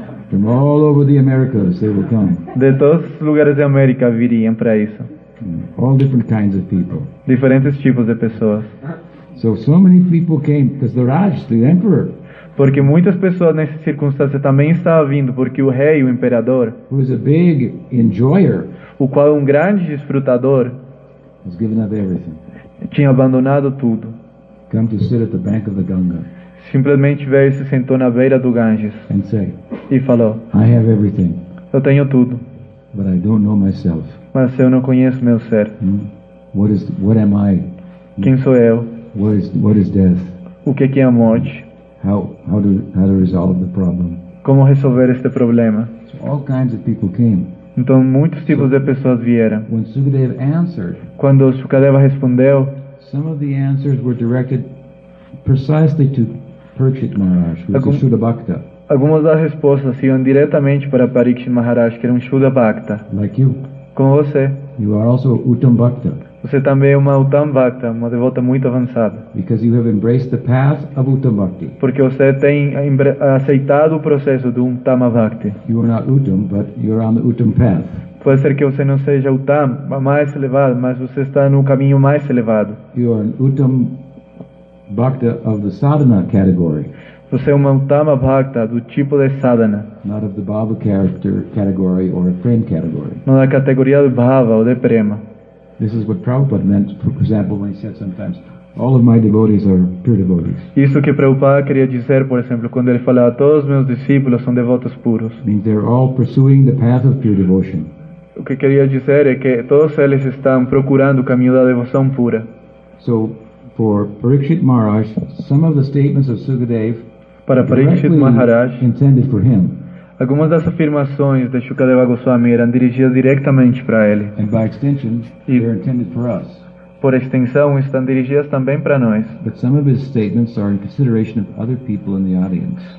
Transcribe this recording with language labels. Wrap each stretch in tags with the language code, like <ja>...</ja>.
<en>From all over the Americas, they will come.</en> <pt>De todos os lugares da América viriam para isso.</pt> <en>All different kinds of people.</en> <pt>Diferentes tipos de pessoas.</pt> <en>So many people came because the Raj, the emperor.</en> <pt>Porque muitas pessoas nessa circunstância também estavam vindo porque o rei, o imperador.</pt> <en>Who is a big enjoyer.</en> <pt>O qual é um grande desfrutador.</pt> <en>Has given up everything.</en> <pt>Tinha abandonado tudo.</pt> <en>Come to sit at the bank of the Ganga.</en> <pt>Simplesmente veio e se sentou na beira do Ganges.</pt> <en>And say,</en> <pt>e falou.</pt> <en>I have everything.</en> <pt>Eu tenho tudo.</pt> <en>But I don't know myself.</en> <pt>Mas eu não conheço meu ser.</pt> <en>Hmm? What am I?</en> <pt>Quem sou eu?</pt> <en>What is death?</en> <pt>O que é a morte?</pt> <en>How to resolve the problem?</en> <pt>Como resolver este problema?</pt> <en>So all kinds of people came.</en> <pt>Então muitos tipos de pessoas vieram.</pt> <en>When Sukadeva answered,</en> <pt>quando Sukadeva respondeu,</pt> <en>some of the answers were directed precisely to Parikshit Maharaj, who was a Shuddha Bhakta.</en> <pt>Algumas das respostas iam diretamente para Parikshit Maharaj, que era um Shuddha Bhakta.</pt> <en>Like you.</en> <pt>Como você.</pt> <en>You are also Uttam Bhakta.</en> <pt>Você também é uma Uttam Bhakta, uma devota muito avançada.</pt> <en>Because you have embraced the path of Uttam Bhakti.</en> <pt>Porque você tem aceitado o processo do Uttam Bhakti.</pt> <en>You are not Uttam, but you are on the Uttam path.</en> <pt>Pode ser que você não seja Uttam, mais elevado, mas você está no caminho mais elevado.</pt> <en>You are an Uttam Bhakta of the Sadhana category.</en> <pt>Você é uma Uttam Bhakta do tipo de Sadhana.</pt> <en>Not of the Bhava character category or a friend category.</en> <pt>Não da categoria de Bhava ou de Prema.</pt> <en>This is what Prabhupada meant, for example, when he said sometimes, all of my devotees are pure devotees.</en> <pt>Isso que Prabhupada queria dizer, por exemplo, quando ele falava, todos os meus discípulos são devotos puros.</pt> <en>Means they're all pursuing the path of pure devotion.</en> <pt>O que queria dizer é que todos eles estão procurando o caminho da devoção pura.</pt> <en>So, for Parikshit Maharaj, some of the statements of Sukadev</en> <pt>para Parikshit Maharaj</pt> <en>intended for him.</en> <pt>Algumas das afirmações de Shukadeva Goswami eram dirigidas diretamente para ele.</pt> <en>And by extension, e they're intended for us.</en> <pt>Por extensão, estão dirigidas também para nós.</pt> <en>But some of his statements are in consideration of other people in the audience.</en>